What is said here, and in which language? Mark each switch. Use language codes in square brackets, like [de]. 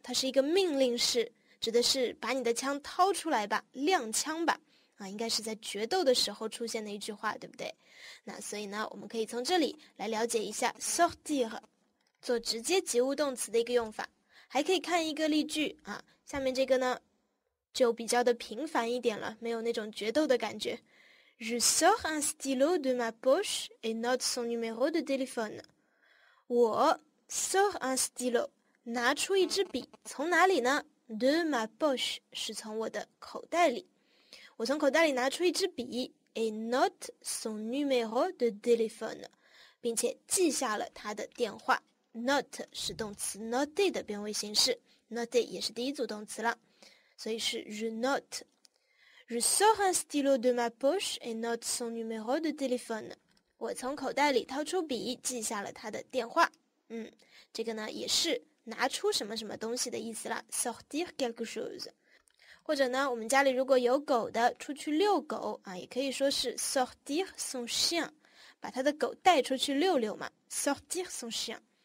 [zh] 它是一个命令式，指的是把你的枪掏出来吧，亮枪吧啊，应该是在决斗的时候出现的一句话，对不对？那所以呢，我们可以从这里来了解一下 sortir做直接及物动词的一个用法。还可以看一个例句啊，下面这个呢就比较的平凡一点了，没有那种决斗的感觉。 [fr] Je sors un stylo de ma poche et note son numéro de téléphone. [zh] 我 [fr] sors un stylo, [zh] 拿出一支笔，从哪里呢？ [fr] De ma poche, [zh] 是从我的口袋里。我从口袋里拿出一支笔 [fr] et note son numéro de téléphone, [zh] 并且记下了他的电话。 not 是动词 noted 的变位形式， noted 也是第一组动词了，所以是 [fr] je note。 Je sors un stylo de ma poche et note son numéro de téléphone。 [zh] 我从口袋里掏出笔记下了他的电话。这个呢也是拿出什么什么东西的意思了， [fr] sortir quelque chose。 [zh] 或者呢，我们家里如果有狗的，出去遛狗啊，也可以说是 [fr] sortir son chien， [zh] 把他的狗带出去遛遛嘛， sortir son chien。